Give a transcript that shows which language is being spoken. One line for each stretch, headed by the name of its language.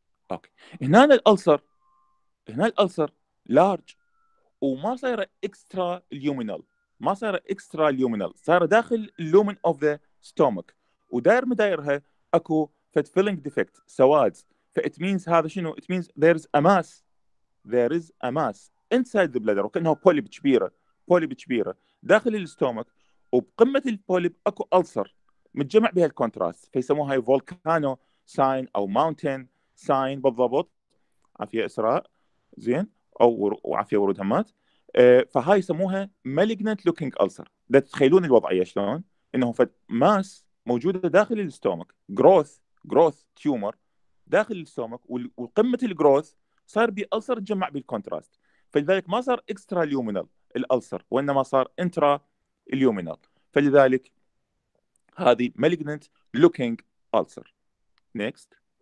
Arabic: اوكي، هنا الألسر، هنا الألسر لارج وما صايره اكسترا ليومينال، ما صايره اكسترا ليومينال، صايره داخل اللومن اوف ذا ستومك، ودائر مدايرها اكو فت فيلينج ديفكت سواد.
English: It means
Arabic: هذا شنو؟
English: It means there's a mass. There is a mass inside the bladder.
Arabic: وكأنه polyp كبيرة. Polyp كبيرة. داخل الستومك. وبقمة البوليب أكو ألسر. متجمع بها الكونتراست. فيسموها
English: volcano sign
Arabic: أو
English: mountain sign
Arabic: بالضبط. عافية إسراء. زين. أو عافية ورود همات. فهاي يسموها
English: malignant looking ulcer.
Arabic: ده تتخيلون الوضعية شلون؟ إنه فد mass موجودة داخل الستومك.
English: Growth tumor.
Arabic: داخل الستومك وقمة الجروث صار بي ألسر تجمع بالكونتراست، فلذلك ما صار إكسترا ليومينال الألسر وإنما صار إنترا ليومينال، فلذلك هذه مالجنت لوكينج ألسر. نيكست.